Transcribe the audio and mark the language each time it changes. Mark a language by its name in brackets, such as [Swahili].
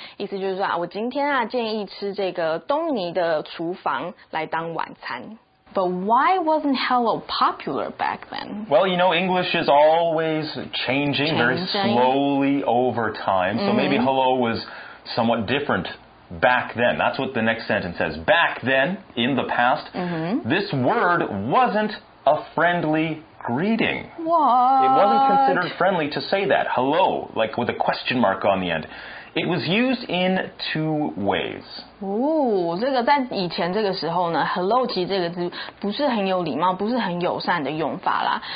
[Chinese] 意思就是说，我今天啊，建议吃这个东尼的厨房来当晚餐。 [English] But why wasn't hello popular back then? Well, you know, English is always changing very slowly over time. So maybe hello was somewhat different back then. That's what the next sentence says. Back then, in the past, this word wasn't a friendly greeting. What? It wasn't considered friendly to say that. Hello, like with a question mark on the end. It was used in two ways. [Chinese] 这个在以前这个时候呢 ，hello 其实这个字不是很有礼貌，不是很友善的用法啦。